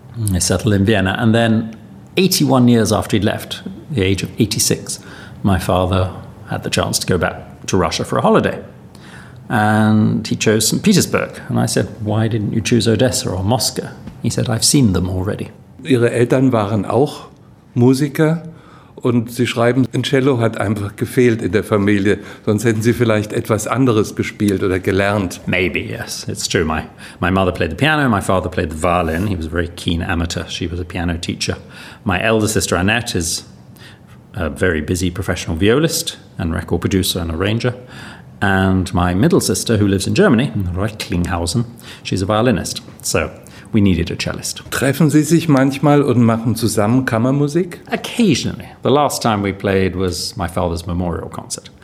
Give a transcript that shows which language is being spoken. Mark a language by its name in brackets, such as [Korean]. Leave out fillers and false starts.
[English] He settled in Vienna, and then 81 years after he'd left, the age of 86, my father had the chance to go back to Russia for a holiday. And he chose St. Petersburg. And I said, why didn't you choose Odessa or Moscow? He said, I've seen them already. [German] Ihre Eltern waren auch Musiker. Und Sie schreiben, ein Cello hat einfach gefehlt in der Familie. Sonst hätten Sie vielleicht etwas anderes gespielt oder gelernt. [English] Maybe, yes. It's true. My mother played the piano. My father played the violin. He was a very keen amateur. She was a piano teacher. My elder sister, Annette, is a very busy professional violist and record producer and arranger. And my middle sister, who lives in Germany, in Recklinghausen, she's a violinist. So we needed a cellist. [German] Treffen Sie sich manchmal und machen zusammen Kammermusik? [English] Occasionally. The last time we played was my father's memorial concert.